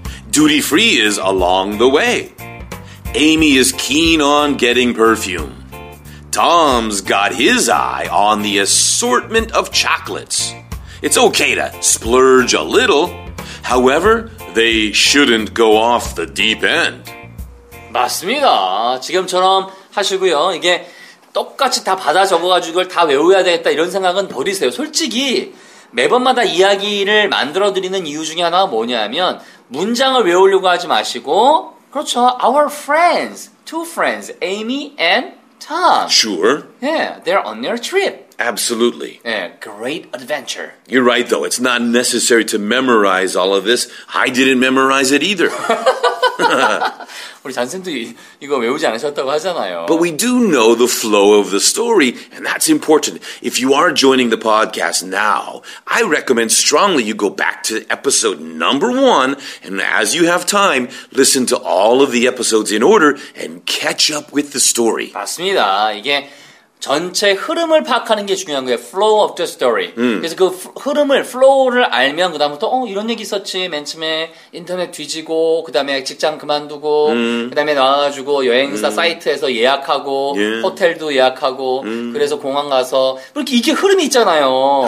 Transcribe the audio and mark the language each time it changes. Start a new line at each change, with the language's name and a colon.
English: Duty-free is along the way. Amy is keen on getting perfume. Tom's got his eye on the assortment of chocolates. It's okay to splurge a little. However, they shouldn't go off the deep end.
Korean: 맞습니다. 지금처럼 하시고요. 이게 똑같이 다 받아 적어가지고 이걸 다 외워야 되겠다 이런 생각은 버리세요. 솔직히 매번마다 이야기를 만들어드리는 이유 중에 하나가 뭐냐면 문장을 외우려고 하지 마시고 그렇죠.
English: Our friends, two friends, Amy and Tom. Sure. Yeah, they're on their trip. Absolutely. Yeah, great adventure. You're right, though. It's not necessary to memorize all of this. I didn't memorize it either.
Korean: 우리 잔쌤도 이거 외우지 않으셨다고 하잖아요.
English: But we do know the flow of the story, and that's important. If you are joining the podcast now, I recommend strongly you go back to episode number one, and as you have time, listen to all of the episodes in order and catch up with the story.
Korean: 맞습니다. 이게 전체 흐름을 파악하는 게 중요한 거예요.
English: Flow of the story.
Korean: 그래서 그 흐름을, flow를 알면 그다음부터 이런 얘기 있었지. 맨 처음에 인터넷 뒤지고 그다음에 직장 그만두고 그다음에 나와가지고 여행사 사이트에서 예약하고 호텔도 예약하고 그래서 공항 가서 그렇게 이게 흐름이 있잖아요.